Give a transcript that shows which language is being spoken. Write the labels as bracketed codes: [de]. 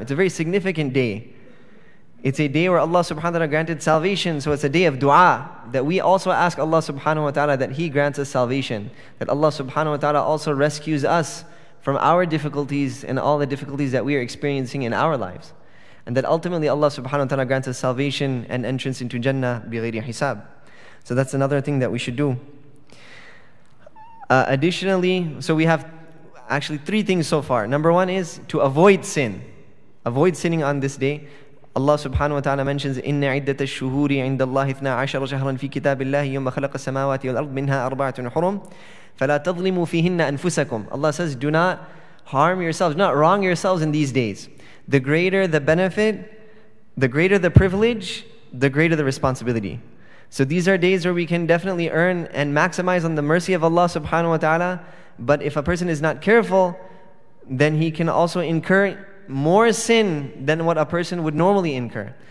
[en] It's a very significant day. It's a day where Allah subhanahu wa ta'ala granted salvation, so it's a day of dua, that we also ask Allah subhanahu wa ta'ala that He grants us salvation, that Allah subhanahu wa ta'ala also rescues us from our difficulties and all the difficulties that we are experiencing in our lives, and that ultimately Allah subhanahu wa ta'ala grants us salvation and entrance into Jannah bi ghayri hisab. So that's another thing that we should do. Additionally, so we have actually three things so far. Number one is to avoid sin. Avoid sinning on this day. Allah subhanahu wa ta'ala mentions, [ar] إِنَّ عِدَّةَ الشُّهُورِ عِنْدَ اللَّهِ 12 شَهْرًا فِي كِتَابِ اللَّهِ يَوْمَ خَلَقَ السَّمَاوَاتِ وَالْأَرْضِ مِنْهَا أَرْبَعَةٌ حُرُمٌ فَلَا تَظْلِمُوا فِيهِنَّ أَنفُسَكُمْ. [en] Allah says, do not harm yourselves, do not wrong yourselves in these days. The greater the benefit, the greater the privilege, the greater the responsibility. So these are days where we can definitely earn and maximize on the mercy of Allah subhanahu wa ta'ala. But if a person is not careful, then he can also incur more sin than what a person would normally incur.